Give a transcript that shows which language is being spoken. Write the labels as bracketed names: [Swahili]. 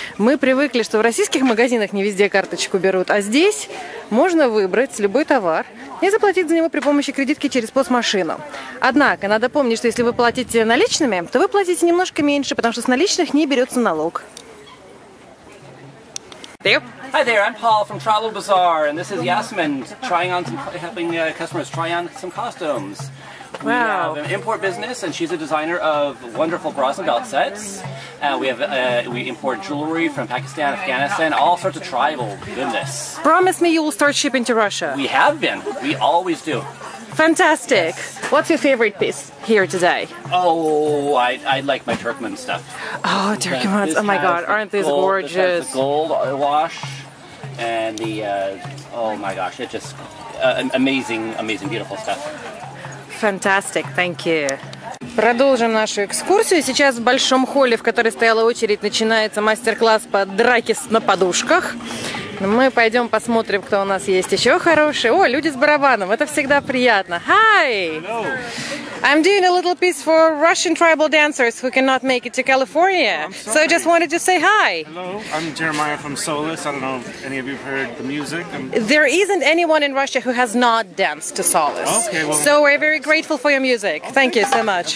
[Russian] Мы привыкли, что в российских магазинах не везде карточку берут, а здесь можно выбрать любой товар и заплатить за него при помощи кредитки через постмашину. Однако, надо помнить, что если вы платите наличными, то вы платите немножко меньше, потому что с наличных не берется налог. [English] Hi there, I'm Paul from Travel Bazaar, and this is Yasmin trying on some, helping customers try on some costumes. Wow. We have an import business, and she's a designer of wonderful bras and belt sets. We import jewelry from Pakistan, Afghanistan, all sorts of tribal goodness. Promise me you will start shipping to Russia. We have been. We always do. Fantastic. Yes. What's your favorite piece here today? Oh, I like my Turkmen stuff. Oh, Turkmen's. Oh my God, aren't these gold, gorgeous? This has the gold wash and the, oh my gosh, it's just amazing, amazing, beautiful stuff. Fantastic, thank you. [Russian] Продолжим нашу экскурсию. Сейчас в большом холле, в которой стояла очередь, начинается мастер-класс по драке на подушках. Мы пойдем посмотрим, кто у нас есть еще хороший. О, люди с барабаном, это всегда приятно. [English] Hi! Hello. I'm doing a little piece for Russian tribal dancers who cannot make it to California. So I just wanted to say hi. Hello, I'm Jeremiah from Solis. I don't know if any of you have heard the music. There isn't anyone in Russia who has not danced to Solis. Okay, well, so we're very grateful for your music. Okay. Thank you so much.